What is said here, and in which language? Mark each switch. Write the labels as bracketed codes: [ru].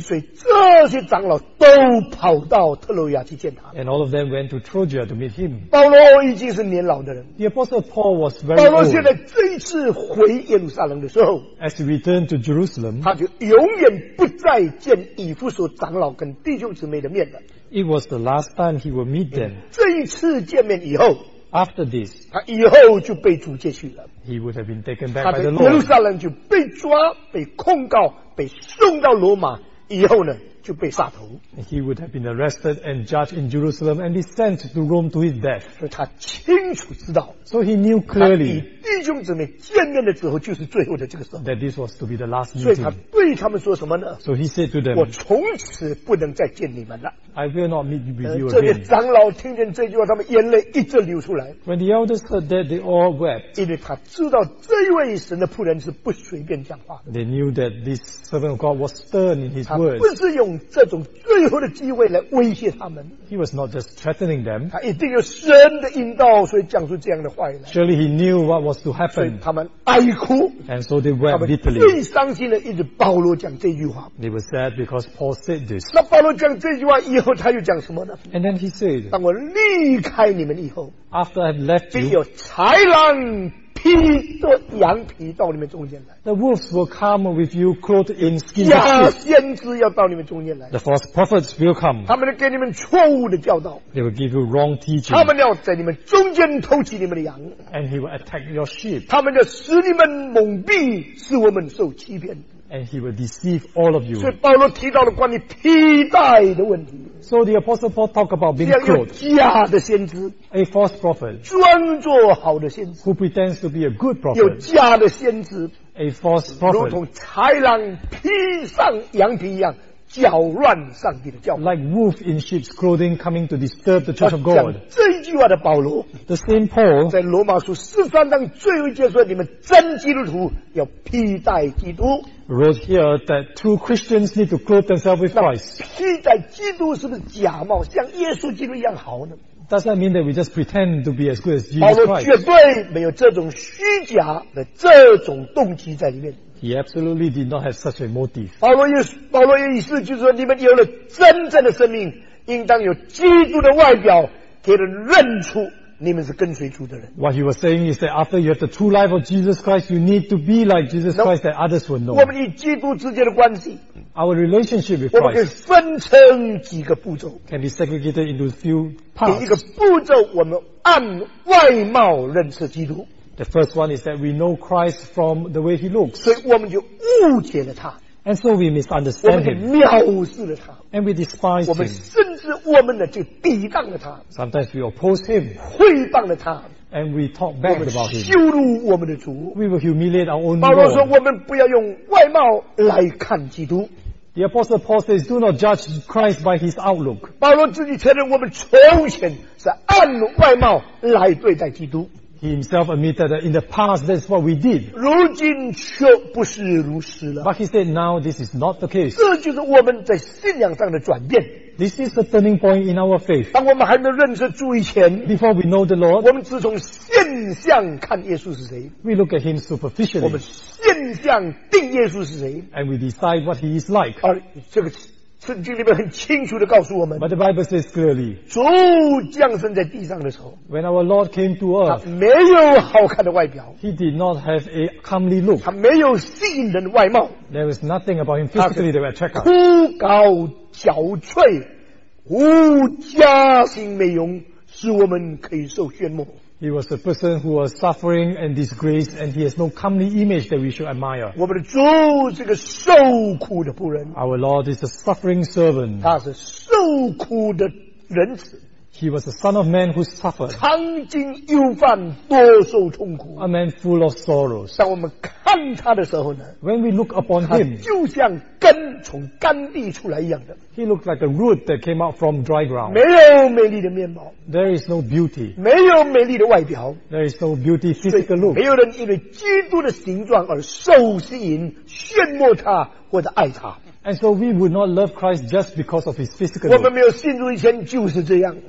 [zh] 所以这些长老都跑到特洛亚去见他。 [en] And all of them went to Troja to meet him. [zh] 保罗已经是年老的人。 [en] The apostle Paul was very old. [zh] 保罗现在这一次回耶路撒冷的时候， [en] As he returned to Jerusalem, [zh] 他就永远不再见以弗所长老跟弟兄姊妹的面了。 [en] It was the last time he would meet them. [zh] 这一次见面以后， [en] After this, [zh] 他以后就被主接去了。 [en] He would have been taken back by the Lord. [zh] 他在耶路撒冷就被抓、被控告、被送到罗马，以后呢就被杀头。 [en] He would have been arrested and judged in Jerusalem and be sent to Rome to his death. [zh] 所以他清楚知道。 [en] So he knew clearly. [zh] 他与弟兄姊妹见面的时候就是最后的这个时候。 [en] That this was to be the last meeting. [zh] 所以他对他们说什么呢？ [en] So he said to them, [zh] 我从此不能再见你们了。 [en] I will not meet you with you again. [zh] 这些长老听见这句话，他们眼泪一直流出来。 [en] When the elders heard that, they all wept. [zh] 因为他知道这位神的仆人是不随便讲话的。 [en] They knew that this servant of God was stern in his words. [zh] 他不是用这种最后的机会来威胁他们。 [en] He was not just threatening them. [zh] 他一定有神的引导，所以讲出这样的话来。 [en] Surely he knew what was to happen. [zh] 所以他们哀哭。 [en] And so they wept bitterly. [zh] 他们最伤心的，一直保罗讲这句话。 [en] They were sad because Paul said this. [zh] 那保罗讲这句话以后，然后他又讲什么呢？ [en] And then he said, [zh] 当我离开你们以后， [en] After I have left you, [zh] 必有豺狼披着羊皮到你们中间来。 [en] The wolves will come with you clothed in skin. [zh] 假先知要到你们中间来。 [en] The false prophets will come. [zh] 他们要给你们错误的教导。 [en] They will give you wrong teaching. [zh] 他们要在你们中间偷取你们的羊。 [en] And he will attack your sheep. [zh] 他们要使你们蒙蔽，使我们受欺骗。 [en] and he will deceive all of you. [zh] 所以保罗提到了关于披戴的问题。 [en] So the apostle Paul talked about being clothed. [zh] 这样有假的先知。 [en] A false prophet. [zh] 装作好的先知。 [en] Who pretends to be a good prophet. [zh] 有假的先知。 [en] A false prophet. [zh] 如同豺狼披上羊皮一样。搅乱上帝的教会 [en] like wolf in sheep's clothing coming to disturb the church of God [zh] 这一句话的保罗 [en] the same Paul [zh] 在罗马书十三章最后一节说你们真基督徒要披戴基督 [en] wrote here that true Christians need to clothe themselves with Christ [zh] 披戴基督是不是假冒像耶稣基督一样好呢 [en] does that mean that we just pretend to be as good as Jesus Christ [zh] 保罗绝对没有这种虚假的这种动机在里面 [en] He absolutely did not have such a motive. [zh] 保罗的意思就是说，你们有了真正的生命，应当有基督的外表，给人认出你们是跟随主的人。 [en] What he was saying is that after you have the true life of Jesus Christ, you need to be like Jesus Christ that others will know. [zh] 我们与基督之间的关系 [en] ，our relationship with Christ, [zh] 我们可以分成几个步骤 [en] ，can be segregated into few parts. [zh] 第一个步骤，我们按外貌认识基督。 [en] The first one is that we know Christ from the way he looks. [zh] 所以我们就误解了他。 [en] And so we misunderstand him. [zh] 我们就藐视了他。 [en] And we despise him. [zh] 我们甚至我们呢就抵挡了他。 [en] Sometimes we oppose him. [zh] 毁谤了他。 [en] And we talk back about him. [zh] 羞辱我们的主。 [en] We will humiliate our own Lord. [zh] 保罗说我们不要用外貌来看基督。 [en] The apostle Paul says, do not judge Christ by his outlook. [zh] 保罗自己承认我们从前是按外貌来对待基督。 [en] He himself admitted that in the past that's what we did. [zh] 如今却不是如此了。 [en] But he said now this is not the case. [zh] 这就是我们在信仰上的转变。 [en] This is the turning point in our faith. [zh] 当我们还没认识主以前 [en] Before we know the Lord, [zh] 我们只从现象看耶稣是谁。 [en] We look at him superficially. [zh] 我们现象定耶稣是谁。 [en] And we decide what he is like. [zh] 而这个圣经里面很清楚地告诉我们 [en] But the Bible says clearly [zh] 主降生在地上的时候 [en] When our Lord came to earth [zh] 他没有好看的外表 [en] He did not have a comely look [zh] 他没有吸引人的外貌 [en] There was nothing about him physically that would attract us [zh] 枯槁憔悴无家心美容使我们可以受炫目 [en] He was the person who was suffering and disgraced and he has no comely image that we should admire [zh] 我们的主是个受苦的仆人 [en] Our Lord is a suffering servant [zh] 他是受苦的人子 [en] He was the son of man who suffered [zh] 曾经忧患多受痛苦 [en] A man full of sorrows [zh] 当我们看他的时候呢 [en] When we look upon him [zh] 他就像根从干地出来一样的 [en] He looked like a root that came out from dry ground [zh] 没有美丽的面貌 [en] There is no beauty [zh] 没有美丽的外表 [en] There is no beauty physical look [zh] 没有人因为基督的形状而受吸引炫慕他或者爱他 [en] And so we would not love Christ just because of his physical [zh] look 我们没有信主以前就是这样